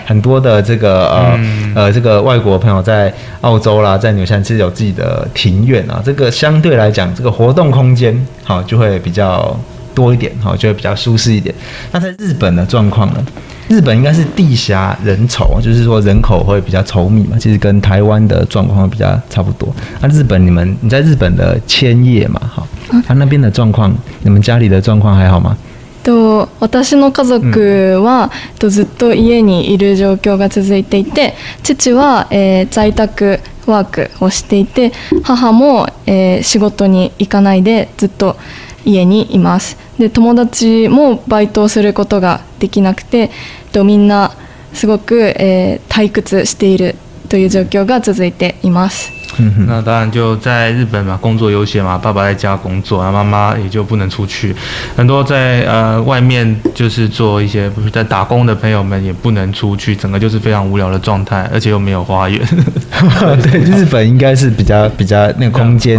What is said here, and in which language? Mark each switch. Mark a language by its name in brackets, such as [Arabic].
[Chinese] 很多的这个这个外国朋友在澳洲啦，在纽西兰其实有自己的庭院啊，这个相对来讲，这个活动空间好就会比较多一点，就会比较舒适一点。那在日本的状况呢？日本应该是地狭人稠，就是说人口会比较稠密嘛，其实跟台湾的状况比较差不多。那日本你在日本的千叶嘛，好，他那边的状况，你们家里的状况还好吗？ [Japanese] 私の家族はずっと家にいる状況が続いていて、父は在宅ワークをしていて、母も仕事に行かないでずっと家にいます。で、友達もバイトをすることができなくて、みんなすごく退屈しているという状況が続いています。 [Chinese] 那当然就在日本嘛，工作优先嘛，爸爸在家工作，妈妈也就不能出去。很多在外面就是做一些在打工的朋友们也不能出去，整个就是非常无聊的状态，而且又没有花园。对，日本应该是比较那个空间